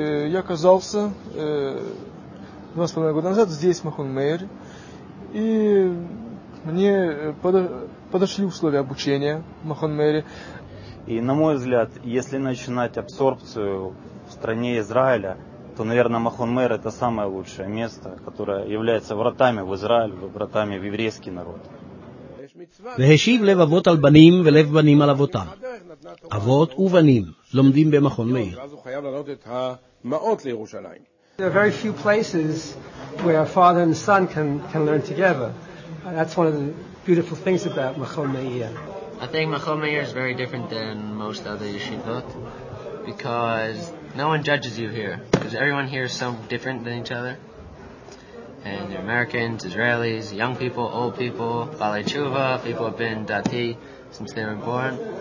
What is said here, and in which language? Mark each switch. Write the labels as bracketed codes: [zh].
[ru] Я оказался 2,5 года назад здесь, в Махон Мейер, и мне подошли условия обучения в Махон Мейере. И на мой взгляд, если начинать абсорбцию в стране Израиля, то, наверное, Махон Мейер это самое лучшее место, которое является вратами в Израиль, вратами в еврейский народ. [he] והשיב לב אבות על בנים ולב בנים על אבותם. אבות ובנים לומדים במכון מאיר. אז הוא חייב לעלות את המאות לירושלים. [en] There are very few places where father and son can learn together. That's one of the beautiful things about Machon Meir. I think Machon Meir is very different than most other yeshivot because no one judges you here. Because everyone here is so different than each other. And they're Americans, Israelis, young people, old people, Balei Tshuva, people have been dati since they were born.